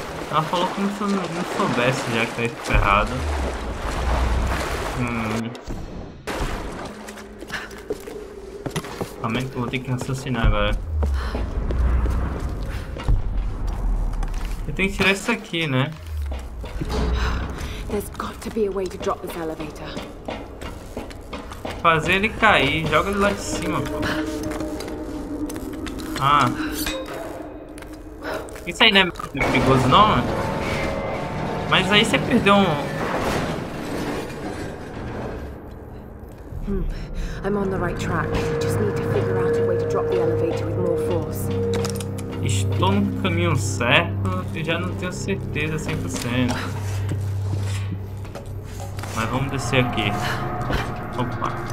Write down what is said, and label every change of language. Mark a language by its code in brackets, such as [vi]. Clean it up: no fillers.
[pt] Ela falou como se eu não soubesse já que tá emperrado. Também vou ter que raciocinar agora. Eu tenho que tirar isso aqui, né? [en] There's got to be a way to drop this elevator. [pt] Fazer ele cair, joga ele lá de cima. Ah, isso aí não é perigoso, não? Mas aí você perdeu um. [en] I'm on the right track. Just need to figure out a way to drop the elevator with more force. [pt] Estou no caminho certo, eu já não tenho certeza 100%. Mas vamos descer aqui. Opa.